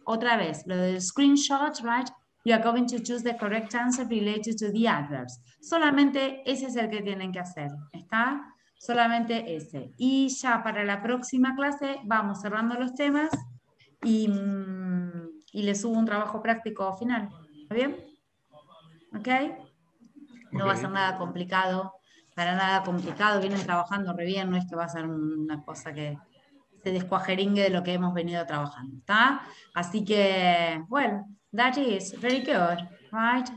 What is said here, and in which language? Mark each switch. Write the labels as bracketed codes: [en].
[es] Otra vez, [en] the screenshot, right? You are going to choose the correct answer related to the adverbs. [es] Solamente ese es el que tienen que hacer, ¿está? Solamente ese. Y ya para la próxima clase vamos cerrando los temas y les subo un trabajo práctico final. ¿Está bien? Okay. No va a ser nada complicado, para nada complicado. Vienen trabajando re bien, no es que va a ser una cosa que se descuajeringue de lo que hemos venido trabajando, ¿está? Así que, bueno, [en] that is very good, right?